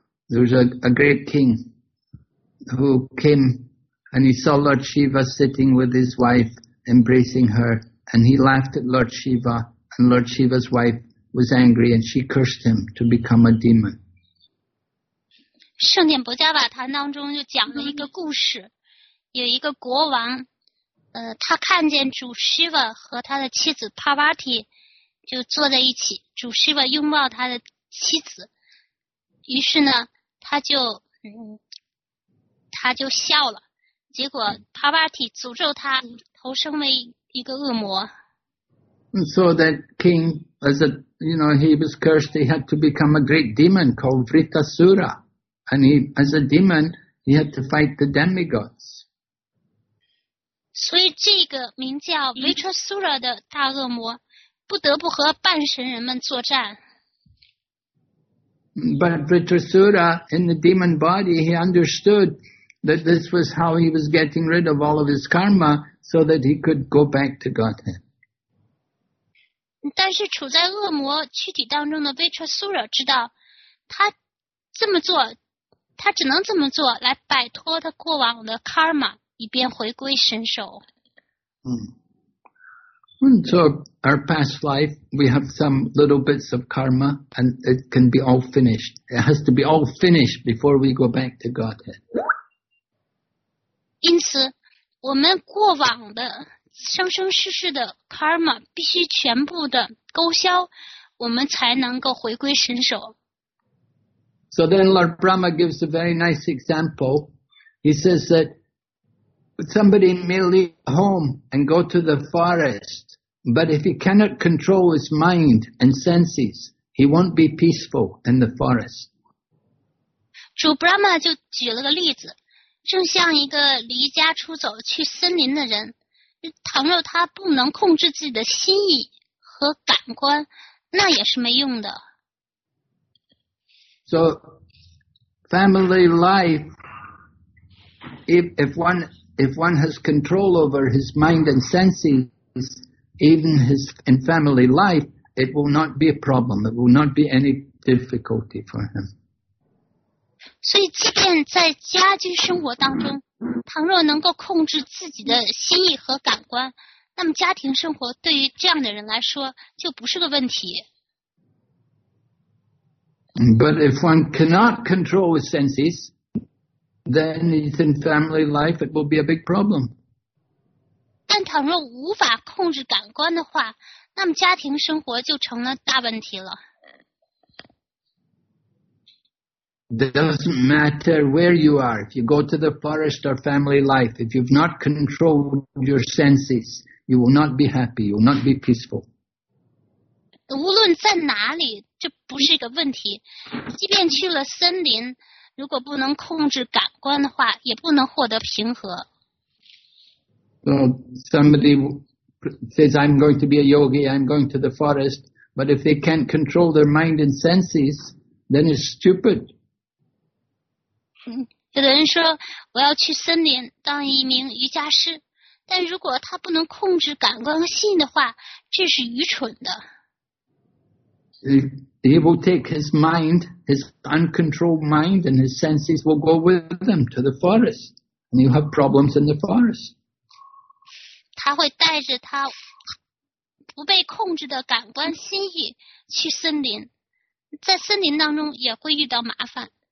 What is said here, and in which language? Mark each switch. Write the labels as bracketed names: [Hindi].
[English] There was a great king who came and he saw Lord Shiva sitting with his wife, embracing her, and he laughed at Lord Shiva, and Lord Shiva's wife was angry and she cursed him to become a demon. [Chinese] 圣典薄伽瓦坛当中就讲了一个故事，有一个国王。他看见主 Shiva 和他的妻子 Parvati 就坐在一起，主 Shiva 拥抱他的妻子，于是呢，他就笑了，结果 Parvati 诅咒他投生为一个恶魔。 [English] And so that king, as a, you know, he was cursed, he had to become a great demon called Vritasura, and he, as a demon, he had to fight the demigods. [Chinese] 所以这个名叫 Vritasura 的大恶魔不得不和半神人们作战。 [English] But Vritasura in the demon body, he understood that this was how he was getting rid of all of his karma so that he could go back to Godhead. [Chinese] 但是处在恶魔躯体当中的维彻苏惹知道他这么做他只能这么做来摆脱他过往的 karma 以便回归神手。嗯。 [English] So, our past life, we have some little bits of karma, and it can be all finished. It has to be all finished before we go back to Godhead. [Chinese] 因此我们过往的生生世世的 karma 必须全部的勾销我们才能够回归神手。 [English] So then Lord Brahma gives a very nice example. He says that somebody may leave home and go to the forest, but if he cannot control his mind and senses, he won't be peaceful in the forest. [Chinese] 主 Brahma 就举了个例子，正像一个离家出走去森林的人，倘若他不能控制自己的心意和感官，那也是没用的。 [English] So, family life, if one has control over his mind and senses, even his, in family life, it will not be a problem, it will not be any difficulty for him. [Chinese] 所以即便在家居生活当中，倘若能够控制自己的心意和感官，那么家庭生活对于这样的人来说就不是个问题。 [English] But if one cannot control his senses, then it's in family life, it will be a big problem. [Chinese] 但倘若无法控制感官的话，那么家庭生活就成了大问题了。 [English] Doesn't matter where you are, if you go to the forest or family life, if you've not controlled your senses, you will not be happy, you will not be peaceful. [Chinese] 无论在哪里，这不是一个问题。即便去了森林，如果不能控制感官的话，也不能获得平和。 [English] So somebody says, "I'm going to be a yogi. I'm going to the forest." But if they can't control their mind and senses, then it's stupid. [Chinese] 有的人说，我要去森林当一名瑜伽师，但如果他不能控制感官和心的话，这是愚蠢的。 [English] He will take his mind, his uncontrolled mind and his senses will go with them to the forest. And he'll have problems in the forest. [Chinese] 他会带着他不被控制的感官心意去森林，在森林当中也会遇到麻烦。